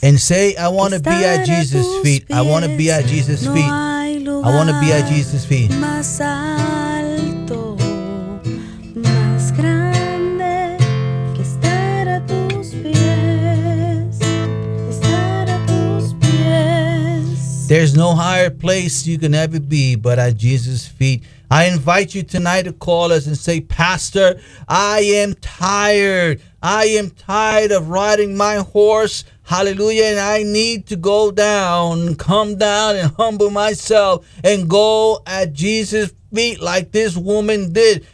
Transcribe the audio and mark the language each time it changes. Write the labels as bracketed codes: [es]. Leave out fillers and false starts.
[en] And say, I want to be at Jesus' feet. I want to be at Jesus' feet. I want to be at Jesus' feet. [es] Más alto, más grande, que estar a tus pies. Estar a tus pies. [en] There's no higher place you can ever be but at Jesus' feet. I invite you tonight to call us and say, Pastor, I am tired. I am tired of riding my horse, hallelujah, and I need to go down, come down and humble myself and go at Jesus' feet like this woman did.